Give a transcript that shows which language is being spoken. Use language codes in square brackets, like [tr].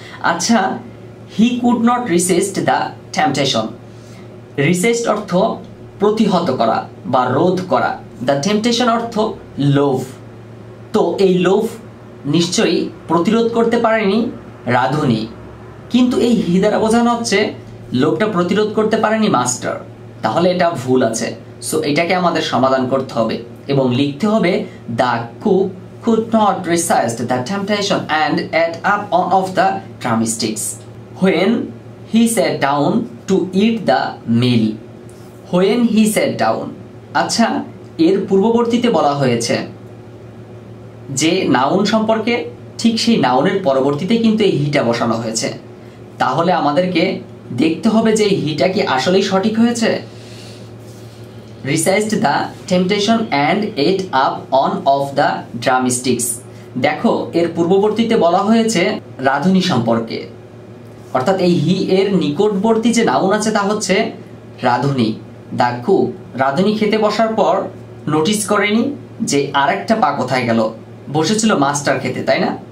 [bn] আচ্ছা, [en] he could not resist the temptation, [bn] রিসিস্ট অর্থ প্রতিহত করা বা রোধ করা, দ্য টেম্পটেশন অর্থ লোভ। তো এই লোভ নিশ্চয়ই প্রতিরোধ করতে পারেনি রাধুনী, কিন্তু এই হি দ্বারা বোঝানো হচ্ছে লোকটা প্রতিরোধ করতে পারেনি মাস্টার, তাহলে এটা ভুল আছে। সো এটাকে আমাদের সমাধান করতে হবে এবং লিখতে হবে [en] The cook could not resist the temptation and ate up one of the drumsticks. When he sat down to eat the meal. When he sat down. [bn] আচ্ছা, এর পূর্ববর্তীতে বলা হয়েছে যে নাউন সম্পর্কে, ঠিক সেই নাউনের পরবর্তীতে কিন্তু এই হিটা বসানো হয়েছে। তাহলে আমাদেরকে দেখতে হবে যে হিটা কি আসলেই সঠিক হয়েছে। [en] Resist the temptation and ate up one of the drumsticks. [bn] দেখো, এর পূর্ববর্তীতে বলা হয়েছে রাধুনী সম্পর্কে, অর্থাৎ এই হি এর নিকটবর্তী যে নাউন আছে তা হচ্ছে রাধুনী। দা কুক রাধুনী খেতে বসার পর নোটিস করেনি যে আরেকটা পা কোথায় গেল, বসেছিল মাস্টার খেতে, তাই না?